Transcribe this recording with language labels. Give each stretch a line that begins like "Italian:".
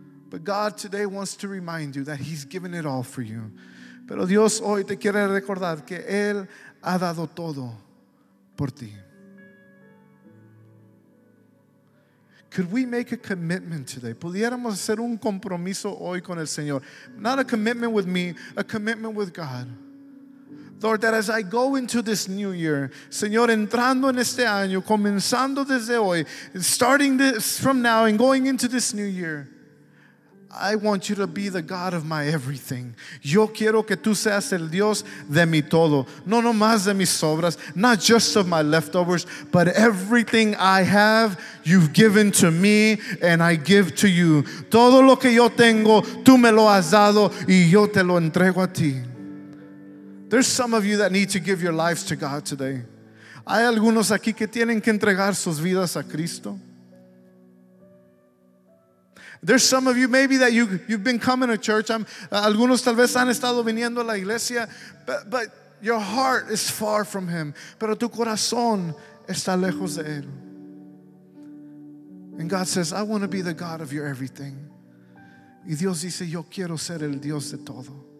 English: But God today wants to remind you that He's given it all for you.
Spanish: Pero Dios hoy te quiere recordar que Él ha dado todo por ti.
English: Could we make a commitment today?
Spanish: Pudiéramos hacer un compromiso hoy con el Señor.
English: Not a commitment with me, a commitment with God. Lord, that as I go into this new year,
Spanish: Señor, entrando en este año, comenzando desde hoy,
English: starting this from now and going into this new year, I want you to be the God of my everything.
Spanish: Yo quiero que tú seas el Dios de mi todo. No nomás de mis sobras,
English: not just of my leftovers, but everything I have, you've given to me and I give to you.
Spanish: Todo lo que yo tengo, tú me lo has dado y yo te lo entrego a ti.
English: There's some of you that need to give your lives to God today.
Spanish: Hay algunos aquí que tienen que entregar sus vidas a Cristo.
English: There's some of you maybe that you've been coming to church.
Spanish: Algunos tal vez han estado viniendo a la iglesia,
English: but your heart is far from Him.
Spanish: Pero tu corazón está lejos de Él.
English: And God says, I want to be the God of your everything.
Spanish: Y Dios dice, yo quiero ser el Dios de todo.